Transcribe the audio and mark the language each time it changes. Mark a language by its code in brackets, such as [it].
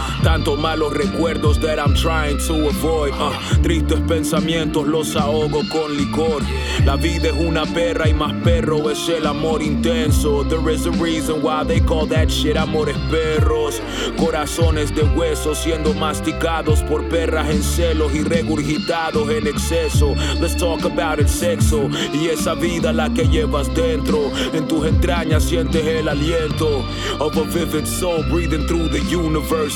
[es] Tanto malos recuerdos [en] that I'm trying to avoid. [es] Tristes pensamientos los ahogo con licor. La vida es una perra y más perro es el amor intenso. [en] There is a reason why they call that shit [es] amores perros. Corazones de hueso siendo masticados por perras en celos y regurgitados en exceso. [en] Let's talk about [es] el sexo y esa vida la que llevas dentro. En tus entrañas sientes el aliento [en] of a vivid soul breathing through the universe.